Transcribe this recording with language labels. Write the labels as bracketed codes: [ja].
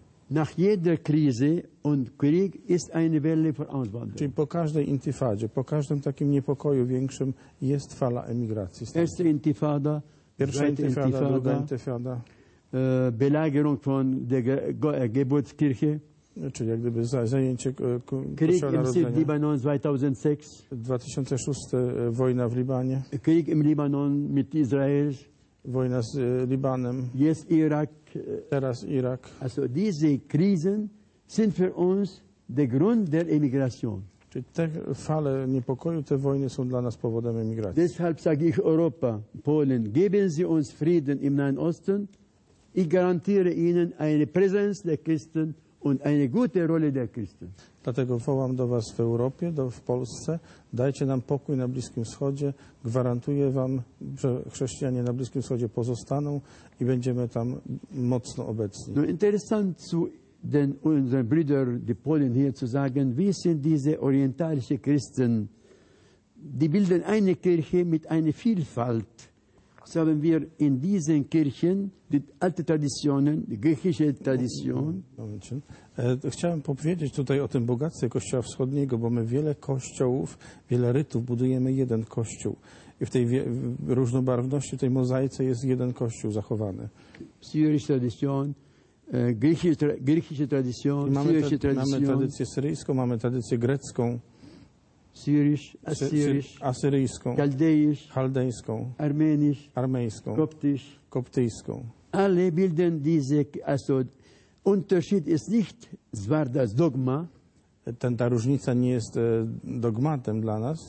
[de] Nach jeder Krise und Krieg ist eine Welle von Auswanderung. [pl] Czyli po każdej intifadzie, po każdym takim niepokoju większym jest fala emigracji. [de] Erste Intifada, [pl] pierwsza intifada, druga intifada. [de] Belagerung von der Geburtskirche. [pl] Czyli jak gdyby zajęcie [de] Krieg im Libanon 2006. [pl] 2006 wojna w Libanie. [de] Krieg im Libanon mit Israel. [pl] Wojna z Libanem. Jest Irak. Teraz Irak. [de] Also diese Krisen sind für uns der Grund der Emigration. [pl] Czyli te fale niepokoju, te wojny są dla nas powodem emigracji. [de] Deshalb sage ich Europa, Polen, geben Sie uns Frieden im Nahen Osten. Ich garantiere Ihnen eine Präsenz der Christen und eine gute Rolle der Christen. [pl] Dlatego wołam do Was w Europie, w Polsce. Dajcie nam pokój na Bliskim Wschodzie. Gwarantuję Wam, że chrześcijanie na Bliskim Wschodzie pozostaną i będziemy tam mocno obecni. [de] No, interessant zu den unseren Brüdern, die Polen hier zu sagen, wie sind diese orientalische Christen? Die bilden eine Kirche mit einer Vielfalt. So haben wir in diesen Kirchen die alte Traditionen, die griechische Tradition. [pl] Chciałem powiedzieć tutaj o tym bogactwie Kościoła Wschodniego, bo my wiele kościołów, wiele rytów budujemy jeden kościół. I w tej różnobarwności, tej mozaice jest jeden kościół zachowany. Syryjska tradycja, [de] griechische Tradition, [pl] syryjska tradycja. Mamy tradycję syryjską, mamy tradycję grecką. [de] Syrisch, Asyryjsk, [pl] Asyryjską, [de] Chaldeisch, [pl] Chaldeńską, [de] Armenisch, [pl] Armeńską, [de] Koptisch, [pl] Koptyjską. [de] Ale bilden diese, also Unterschied ist nicht zwar das Dogma, [pl] ta różnica nie jest dogmatem dla nas,